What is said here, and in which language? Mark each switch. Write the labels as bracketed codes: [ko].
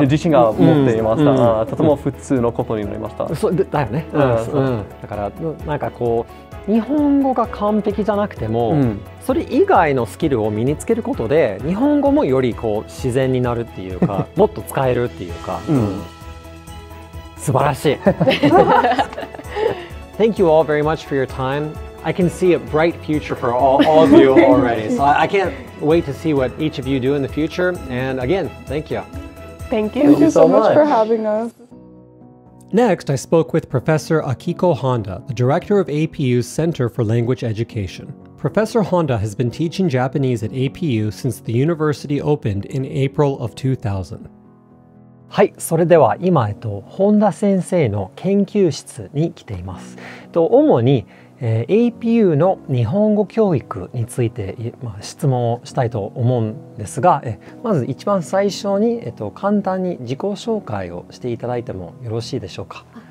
[ja] 自信が持っていました、うんうん、とても普通のことになりました、うん、そうだよね、うんうん、だからなんかこう日本語が完璧じゃなくても、うん、それ以外のスキルを身につけることで日本語もよりこう自然になるっていうかもっと使えるっていうか、うん、素晴らしい。 [en] Thank you all very much for your time. I can see a bright future for all of you already. So I can't wait to see what each of you do in the future. And again, thank you. Thank you so much for having us. Next, I spoke with Professor Akiko Honda, the director of APU's Center for Language Education. Professor Honda has been teaching Japanese at APU since the university opened in April of 2000. [ja] はい、それでは今、本田先生の研究室に来ています。主に、APU の日本語教育について、まあ、質問をしたいと思うんですが、まず一番最初に、簡単に自己紹介をしていただいてもよろしいでしょうか？